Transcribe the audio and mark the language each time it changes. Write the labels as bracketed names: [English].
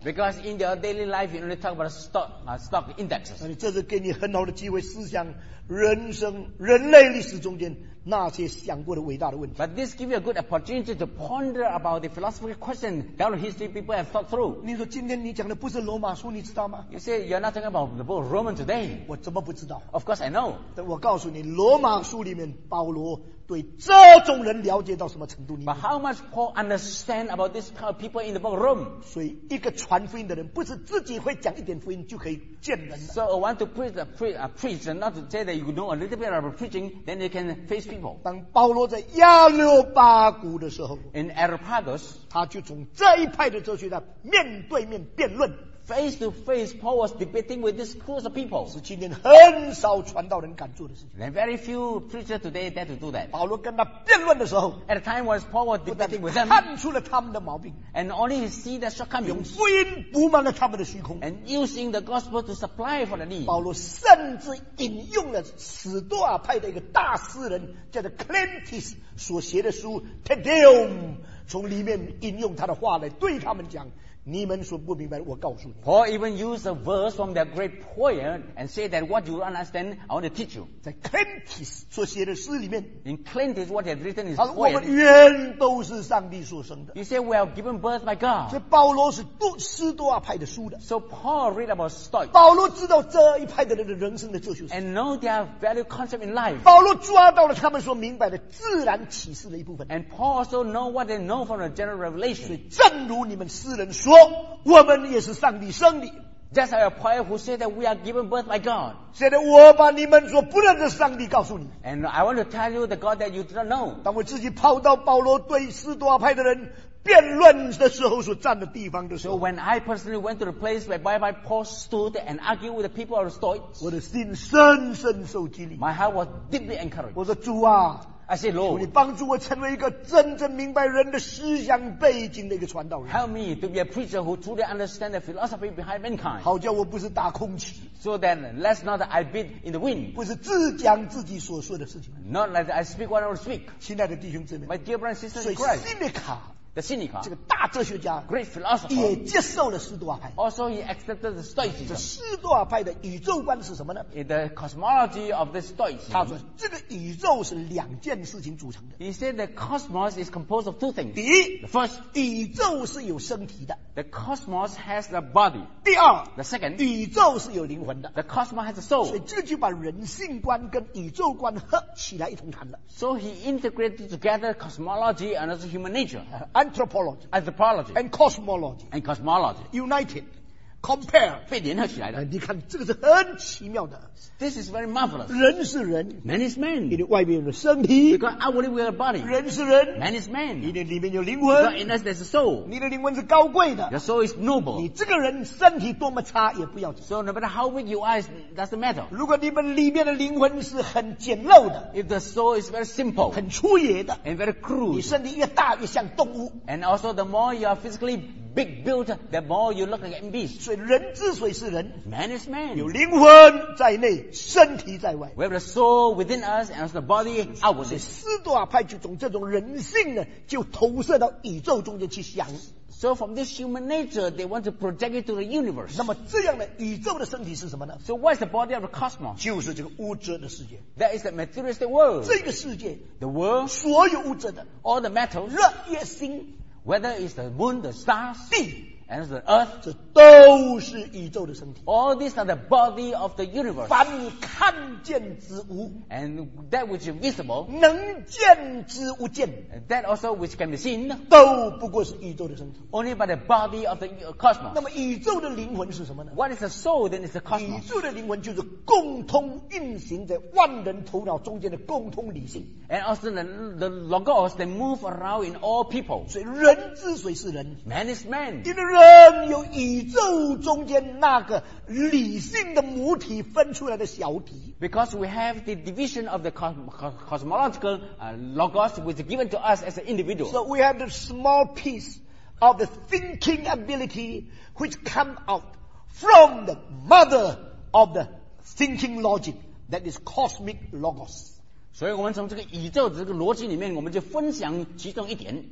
[English] ？Because in your daily life, you only talk about stock indexes. [Chinese] 这是给你很好的机会，思想人生、人类历史中间那些想过的伟大的问题。 [English] But this gives you a good opportunity to ponder about the philosophical question that history people have thought through. [Chinese] 你说今天你讲的不是罗马书，你知道吗 [English] ？You say you're not talking about the book of Romans today. [Chinese] 我怎么不知道 [English] ？Of course I know. [Chinese] 但我告诉你，罗马书里面保罗。对这种人了解到什么程度呢 [English] ？But how much Paul understand about this kind of people in the book of Rome？ [Chinese] 所以一个传福音的人，不是自己会讲一点福音就可以见人。 [English] So I want to preach, not to say that you know a little bit of preaching, then you can face people. [Chinese] 当保罗在亚六巴谷的时候 [English] ，In Areopagus， [Chinese] 他就从这一派的哲学家面对面辩论。 [English] Face to face, Paul was debating with these crowds of people. [Chinese] 十七年很少传道人敢做的事情。 [English] And very few preachers today dare to do that. [Chinese] 保罗跟他辩论的时候 [English] ，at the time when Paul was debating with them， [Chinese] 看出了他们的毛病。 [English] And only he see the shortcomings. [Chinese] 用福音补满了他们的虚空。 [English] And using the gospel to supply for the need. [Chinese] 保罗甚至引用了史多亚派的一个大诗人叫做 Clentius 所写的书 Te Deum， 从里面引用他的话来对他们讲。你们所不明白的，我告诉你。 [English] Paul even used a verse from the great poem and say that what you understand, I want to teach you. [Chinese] 在 Clentius 所写的诗里面 [English] ，In Clentius, what he had written is [Chinese] 他说我们原都是上帝所生的。 [English] He said we are given birth by God. [Chinese] 所以保罗是读斯多亚派的书的。 [English] So Paul read about Stoics. [Chinese] 保罗知道这一派的人的人生的哲学。 [English] And know their value concept in life. [Chinese] 保罗抓到了他们所明白的自然启示的一部分。 [English] And Paul also know what they know from the general revelation. [Chinese] 所以正如你们诗人说。我们也是上帝生的。 [English] Just like a poet who said that we are given birth by God. [Chinese] 现在我把你们所不认识上帝告诉你。 [English] And I want to tell you the God that you do not know. [Chinese] 当我自己跑到保罗对斯多亚派的人辩论的时候所站的地方的时候。 [English] So when I personally went to the place where my Paul stood and argued with the people of the Stoics. [Chinese] 我的心深深受激励。 [English] My heart was deeply encouraged. [Chinese] 我说主啊。 [English] I say, Lord, [Chinese] 求你帮助我成为一个真正明白人的思想背景的一个传道人。 [English] Help me to be a preacher who truly understands the philosophy behind mankind. [Chinese] 好叫我不是打空气。 [English] So that let's not I beat in the wind. [Chinese] 不是自讲自己所说的事情。 [English] Not like I speak what I speak. [Chinese] 亲爱的弟兄姊妹 [English] ，My dear brothers and sisters in Christ. [Chinese] 所以Seneca 的辛尼卡，这个大哲学家 [English] ，Great philosopher， [Chinese] 也接受了斯多亚派。 [English] Also he accepted the Stoicism. [Chinese] 这斯多亚派的宇宙观是什么呢 [English] ？In the cosmology of the Stoics. [Chinese] 他说这个宇宙是两件事情组成的。 [English] He said the cosmos is composed of two things. [Chinese] 第一 [English] ，the first， [Chinese] 宇宙是有身体的。 [English] The cosmos has a body. [Chinese] 第二 [English] ，the second， [Chinese] 宇宙是有灵魂的。 [English] The cosmos has a soul. [Chinese] 所以这就把人性观跟宇宙观合起来一同谈了。 [English] So he integrated together cosmology and also human nature. Anthropology and cosmology, united, compared, [Chinese] 被联合起来的。你看，这个是很奇妙的。 [English] This is very marvelous. [Chinese] 人是人 [English] ，man is man. [Chinese] 因为外面有身体 [English] ，because outwardly we have a body. [Chinese] 人是人 [English] ，man is man. [Chinese] 因为里面有灵魂 [English] ，in us there's a soul. [Chinese] 你的灵魂是高贵的 [English] ，your soul is noble. [Chinese] 你这个人身体多么差也不要紧 [English] ，so no matter how weak you are, it doesn't matter. [Chinese] 如果你们里面的灵魂是很简陋的 [English] ，if the soul is very simple, [Chinese] 很粗野的 [English] ，and very crude, [Chinese] 你身体越大越像动物 [English] ，and also the more you are physically big built, the more you look like a beast. [Chinese] 所以人之所以是人 [English] ，man is man. [Chinese] 有灵魂在内。身体在外 [English] We have the soul within us and the body outwardly. [Chinese] 斯多亚派就从这种人性呢，就投射到宇宙中间去想。 [English] So from this human nature, they want to project it to the universe. [Chinese] 那么这样的宇宙的身体是什么呢 [English] ？So what's the body of the cosmos? [Chinese] 就是这个物质的世界。 [English] That is the materialistic world. [Chinese] 这个世界 [English] ，the world， [Chinese] 所有物质的 [English] ，all the metals， [Chinese] 热、月、星 [English] ，whether it's the moon, the stars， [Chinese] 地 [English] and the earth, [Chinese] 这都是宇宙的身体。 [English] All these are the body of the universe. [Chinese] 凡看见之物 [English] and that which is visible, [Chinese] 能见之物见 [English] that also which can be seen, [Chinese] 都不过是宇宙的身体。 [English] Only by the body of the cosmos. [Chinese] 那么宇宙的灵魂是什么呢？ [English] What is the soul? Then is the cosmos. [Chinese] 宇宙的灵魂就是共通运行在万人头脑中间的共通理性。 [English] And also the logos that move around in all people. [Chinese] 所以人之所以是人 [English] ，man is man. [Chinese] 因为人有宇宙中间那个理性的母体分出来的小体。 [English] Because we have the division of the cosmological logos which is given to us as an individual. So we have the small piece of the thinking ability which come out from the mother of the thinking logic that is cosmic logos. [Chinese] 所以我们从这个宇宙的这个逻辑里面，我们就分享其中一点，